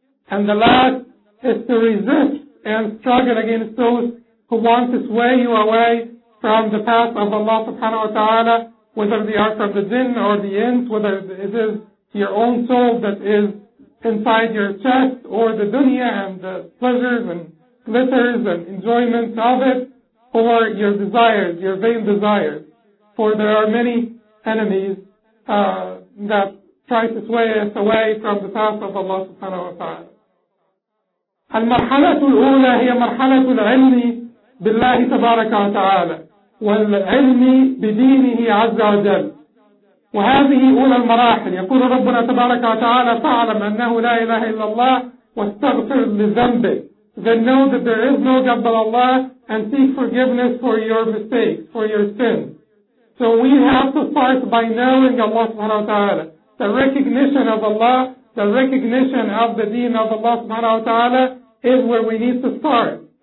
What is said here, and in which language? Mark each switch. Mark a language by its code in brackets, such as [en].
[en] And the last is to resist and struggle against those who want to sway you away from the path of Allah subhanahu wa ta'ala, whether they are from the jinn or the ins, whether it is your own soul that is inside your chest, or the dunya and the pleasures and glitters and enjoyments of it, or your desires, your vain desires. For there are many enemies that try to sway us away from the path of Allah subhanahu wa ta'ala. [ar] المرحلة الأولى هي مرحلة العلم بالله تبارك وتعالى والعلم بدينه عز وجل، وهذه أولى المراحل. يقول ربنا تبارك وتعالى: فاعلم أنه لا إله إلا الله واستغفر لذنبك. [en] Then know that there is no God but Allah and seek forgiveness for your mistakes, for your sins. So we have to start by knowing Allah subhanahu wa ta'ala. The recognition of Allah, the recognition of the deen of Allah subhanahu wa ta'ala is where we need to start.